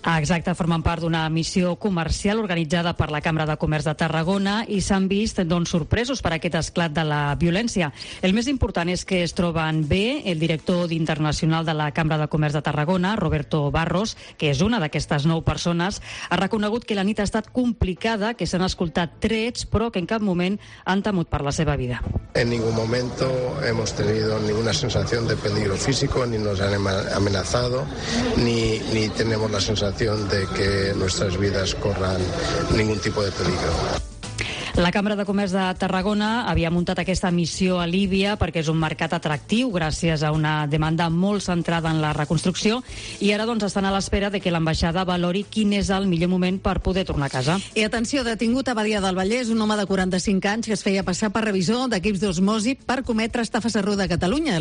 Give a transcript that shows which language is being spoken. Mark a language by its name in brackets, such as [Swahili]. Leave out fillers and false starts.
[Catalan] Exacte, formen part d'una missió comercial organitzada per la Cambra de Comerç de Tarragona i s'han vist, doncs, sorpresos per aquest esclat de la violència. El més important és que es troben bé el director internacional de la Cambra de Comerç de Tarragona, Roberto Barros, que és una d'aquestes nou persones, ha reconegut que la nit ha estat complicada, que s'han escoltat trets, però que en cap moment han temut per la seva vida. [Spanish] En ningún momento hemos tenido ninguna sensación de peligro físico, ni nos han amenazado, ni tenemos la sensación de que nuestras vidas corran ningún tipo de peligro. [Catalan] La Cambra de Comerç de Tarragona havia muntat aquesta missió a Líbia perquè és un mercat atractiu gràcies a una demanda molt centrada en la reconstrucció i ara doncs estan a l'espera de que l'ambaixada valori quin és el millor moment per poder tornar a casa. I atenció, detingut a Badia del Vallès, un home de 45 anys que es feia passar per revisor d'equips d'Osmosi per cometre estafes a Ruda de Catalunya.